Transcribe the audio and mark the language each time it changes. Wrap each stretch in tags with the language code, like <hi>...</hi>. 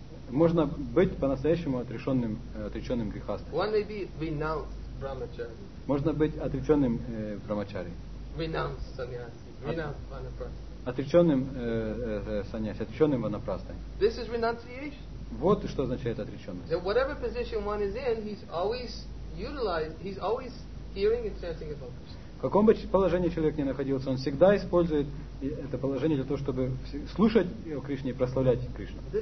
<ru>Можно быть по-настоящему отреченным грехастом.</ru> <en>One may be renounced brahmachari.</en> <ru>Можно быть отреченным брахмачари.</ru> <en>Renounced sannyasi. Renounced vanaprastha.</en> <ru>Отреченным саньяси, отреченным ванапрастой.</ru> <en>This is renunciation.</en> <ru>Вот что означает отреченность.</ru> <en>That whatever position one is in, he's always utilized, he's always hearing and chanting about Krishna.</en> <ru>В каком бы положении человек ни находился, он всегда использует это положение для того, чтобы слушать о Кришне и прославлять Кришну.</ru>